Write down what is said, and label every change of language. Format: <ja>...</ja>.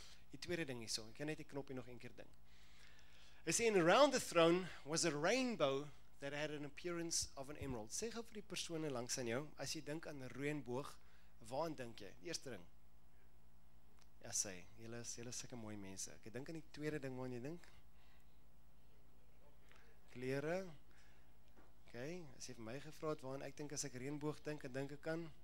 <af>Die tweede ding hierso, ek kan net die knoppie nog een keer ding. Hy sê,</af> <en>and around the throne was a rainbow that had an appearance of an emerald.</en> <af>Sê gou vir die persone langs aan jou, as jy dink aan 'n reënboog, waaraan dink jy? Die eerste ding. Ja, sê, jylle is sulke mooi mense. Ek dink aan die tweede ding waaraan jy dink. Kleure. Okay, as jy vir my gevra het waaraan ek dink as ek reënboog dink, en dink ek kan.</af>